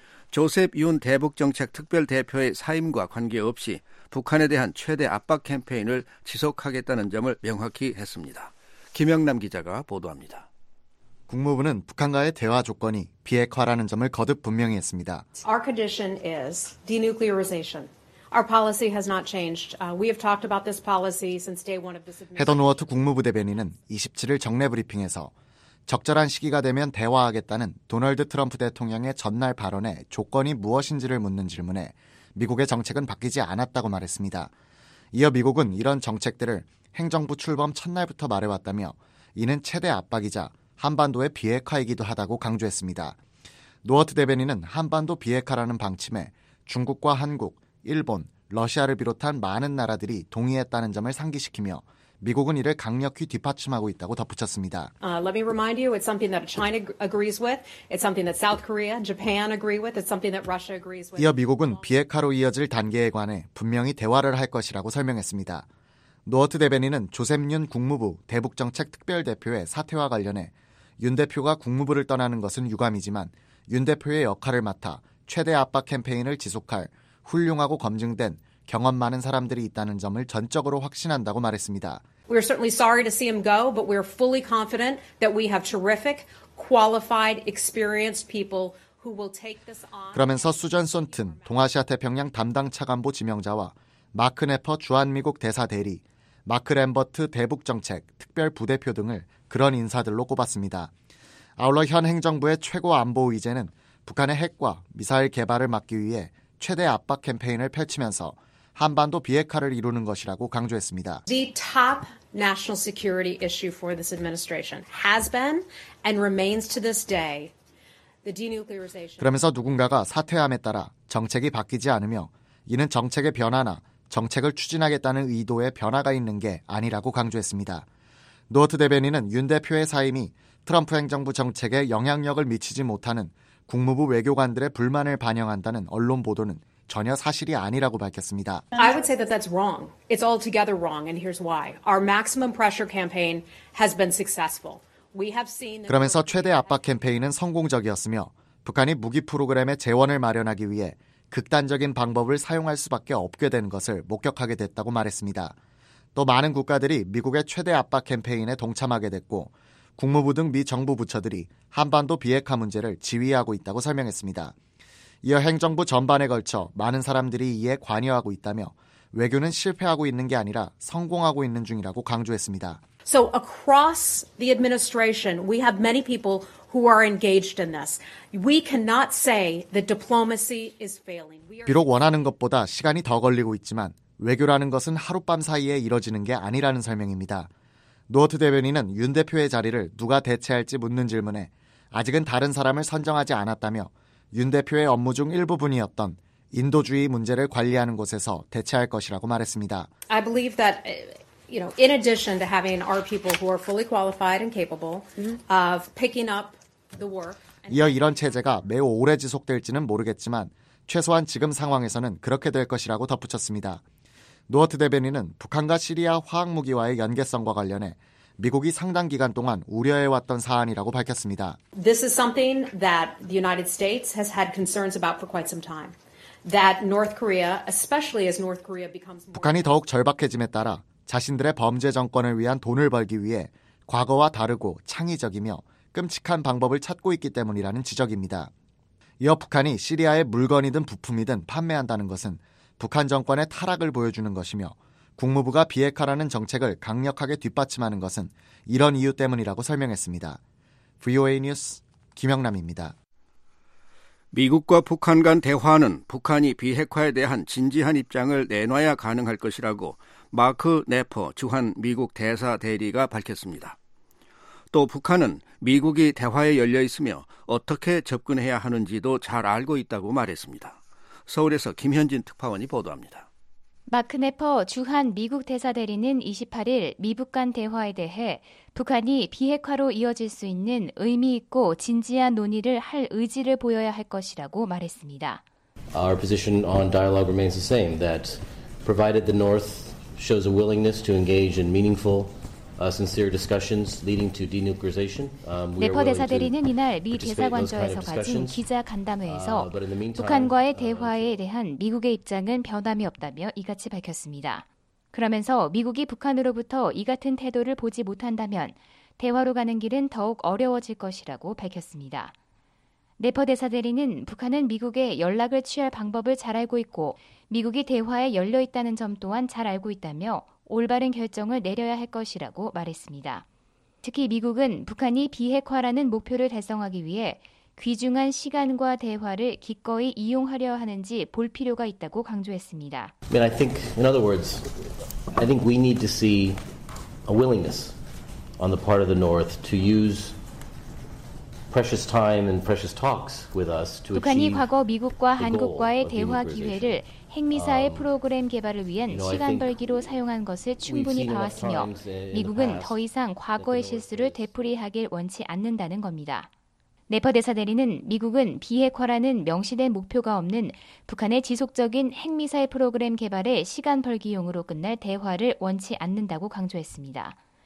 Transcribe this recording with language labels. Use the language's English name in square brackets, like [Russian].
[Korean] 조셉 윤 대북정책특별대표의 사임과 관계없이 북한에 대한 최대 압박 캠페인을 지속하겠다는 점을 명확히 했습니다. 김영남 기자가 보도합니다. 국무부는 북한과의 대화 조건이 비핵화라는 점을 거듭 분명히 했습니다. [English] Our condition is denuclearization. Our policy has not changed. We have talked about this policy since day one of this administration. [Korean] 헤더 노어트 국무부 대변인은 27일 정례 브리핑에서 적절한 시기가 되면 대화하겠다는 도널드 트럼프 대통령의 전날 발언에 조건이 무엇인지를 묻는 질문에 미국의 정책은 바뀌지 않았다고 말했습니다. 이어 미국은 이런 정책들을 행정부 출범 첫날부터 말해왔다며 이는 최대 압박이자 한반도의 비핵화이기도 하다고 강조했습니다. 노어트 대변인은 한반도 비핵화라는 방침에 중국과 한국, 일본, 러시아를 비롯한 많은 나라들이 동의했다는 점을 상기시키며 미국은 이를 강력히 뒷받침하고 있다고 덧붙였습니다. [English] Let me remind you, it's something that China agrees with. It's something that South Korea, Japan agree with. It's something that Russia agrees with. [Korean] 이어 미국은 비핵화로 이어질 단계에 관해 분명히 대화를 할 것이라고 설명했습니다. 노어트 대변인은 조셉 윤 국무부 대북정책특별대표의 사퇴와 관련해 윤 대표가 국무부를 떠나는 것은 유감이지만 윤 대표의 역할을 맡아 최대 압박 캠페인을 지속할 훌륭하고 검증된 경험 많은 사람들이 있다는 점을 전적으로 확신한다고 말했습니다. [English] We are certainly sorry to see him go, but we are fully confident that we have terrific, qualified, experienced people who will take this on. [Korean] 그러면서 수전 손튼 동아시아 태평양 담당 차관보 지명자와 마크 네퍼 주한미국 대사 대리, 마크 램버트 대북 정책 특별 부대표 등을 그런 인사들로 꼽았습니다. 아울러 현 행정부의 최고 안보 의제는 북한의 핵과 미사일 개발을 막기 위해 최대 압박 캠페인을 펼치면서 한반도 비핵화를 이루는 것이라고 강조했습니다. [English] The top national security issue for this administration has been and remains to this day the denuclearization. [Korean] 그러면서 누군가가 사퇴함에 따라 정책이 바뀌지 않으며 이는 정책의 변화나 정책을 추진하겠다는 의도에 변화가 있는 게 아니라고 강조했습니다. 노어트 대변인은 윤 대표의 사임이 트럼프 행정부 정책에 영향력을 미치지 못하는 국무부 외교관들의 불만을 반영한다는 언론 보도는 전혀 사실이 아니라고 밝혔습니다. [English] I would say that that's wrong. It's altogether wrong, and here's why. Our maximum pressure campaign has been successful. We have seen. [Korean] 그러면서 최대 압박 캠페인은 성공적이었으며 북한이 무기 프로그램의 재원을 마련하기 위해 극단적인 방법을 사용할 수밖에 없게 된 것을 목격하게 됐다고 말했습니다. 또 많은 국가들이 미국의 최대 압박 캠페인에 동참하게 됐고 국무부 등 미 정부 부처들이 한반도 비핵화 문제를 지휘하고 있다고 설명했습니다. 이어 행정부 전반에 걸쳐 많은 사람들이 이에 관여하고 있다며 외교는 실패하고 있는 게 아니라 성공하고 있는 중이라고 강조했습니다. [English] So across the administration, we have many people who are engaged in this. We cannot say that diplomacy is failing. [Korean] 비록 원하는 것보다 시간이 더 걸리고 있지만 외교라는 것은 하룻밤 사이에 이뤄지는 게 아니라는 설명입니다. 노어트 대변인은 윤 대표의 자리를 누가 대체할지 묻는 질문에 아직은 다른 사람을 선정하지 않았다며 윤 대표의 업무 중 일부분이었던 인도주의 문제를 관리하는 곳에서 대체할 것이라고 말했습니다. [English] I believe that, you know, in addition to having our people who are fully qualified and capable of picking up the work. [Korean] 이어 이런 체제가 매우 오래 지속될지는 모르겠지만 최소한 지금 상황에서는 그렇게 될 것이라고 덧붙였습니다. 노어트 대변인은 북한과 시리아 화학무기와의 연계성과 관련해 미국이 상당 기간 동안 우려해왔던 사안이라고 밝혔습니다. [English] This is something that the United States has had concerns about for quite some time. That North Korea, especially as North Korea becomes more... [Korean] 북한이 더욱 절박해짐에 따라 자신들의 범죄 정권을 위한 돈을 벌기 위해 과거와 다르고 창의적이며 끔찍한 방법을 찾고 있기 때문이라는 지적입니다. 이어 북한이 시리아의 물건이든 부품이든 판매한다는 것은 북한 정권의 타락을 보여주는 것이며 국무부가 비핵화라는 정책을 강력하게 뒷받침하는 것은 이런 이유 때문이라고 설명했습니다. VOA 뉴스 김영남입니다. 미국과 북한 간 대화는 북한이 비핵화에 대한 진지한 입장을 내놔야 가능할 것이라고 마크 네퍼 주한 미국 대사 대리가 밝혔습니다. 또 북한은 미국이 대화에 열려 있으며 어떻게 접근해야 하는지도 잘 알고 있다고 말했습니다. 서울에서 김현진 특파원이 보도합니다. 마크 네퍼 주한 미국 대사 대리는 28일 미북 간 대화에 대해 북한이 비핵화로 이어질 수 있는 의미 있고 진지한 논의를 할 의지를 보여야 할 것이라고 말했습니다. [English] Our position on dialogue remains the same that provided the North shows a willingness to engage in meaningful sincere discussions leading to denuclearization. [Korean] 네퍼 대사 대리는 이날 미 대사관저에서 가진 기자 간담회에서 북한과의 대화에 대한 미국의 입장은 변함이 없다며 이같이 밝혔습니다. 그러면서 미국이 북한으로부터 이 같은 태도를 보지 못한다면 대화로 가는 길은 더욱 어려워질 것이라고 밝혔습니다. 네퍼 대사 대리는 북한은 미국에 연락을 취할 방법을 잘 알고 있고 미국이 대화에 열려 있다는 점 또한 잘 알고 있다며 올바른 결정을 내려야 할 것이라고 말했습니다. 특히 미국은 북한이 비핵화라는 목표를 달성하기 위해 귀중한 시간과 대화를 기꺼이 이용하려 하는지 볼 필요가 있다고 강조했습니다. [English] I mean, I think, in other words, I think we need to see a willingness on the part of the North to use precious time and precious talks with us to achieve. [Korean] 북한이 과거 미국과 한국과의 대화 기회를 핵미사일 프로그램 개발을 위한 시간 벌기로 사용한 것을 충분히 봐왔으며 미국은 더 이상 과거의 실수를 되풀이하길 원치 않는다는 겁니다. 네퍼 대사 대리는 미국은 비핵화라는 명시된 목표가 없는 북한의 지속적인 핵미사일 프로그램 개발에 시간 벌기용으로 끝날 대화를 원치 않는다고 강조했습니다.